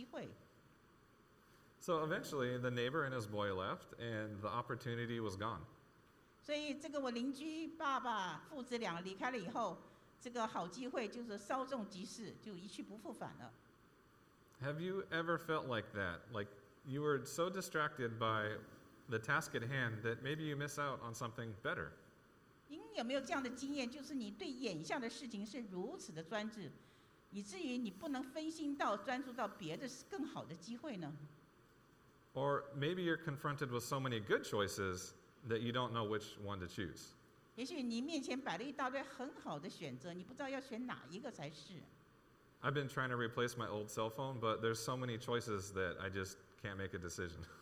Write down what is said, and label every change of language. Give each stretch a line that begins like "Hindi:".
English: eventually, the neighbor and his boy left, and the opportunity was gone.
Chinese: 所以这个我邻居爸爸父子俩离开了以后。这个好机会就是稍纵即逝，就一去不复返了。Have
English: you ever felt like that? Like you were so distracted by the task at hand that maybe you miss out on something better?
Chinese: 您有没有这样的经验，就是你对眼下的事情是如此的专注，以至于你不能分心到专注到别的更好的机会呢？
English: Or maybe you're confronted with so many good choices that you don't know which one to choose.
Chinese: 也许你面前摆了一大堆很好的选择，你不知道要选哪一个才是。I've
English: been trying to replace my old cell phone, but there's so many choices that I just can't make a decision.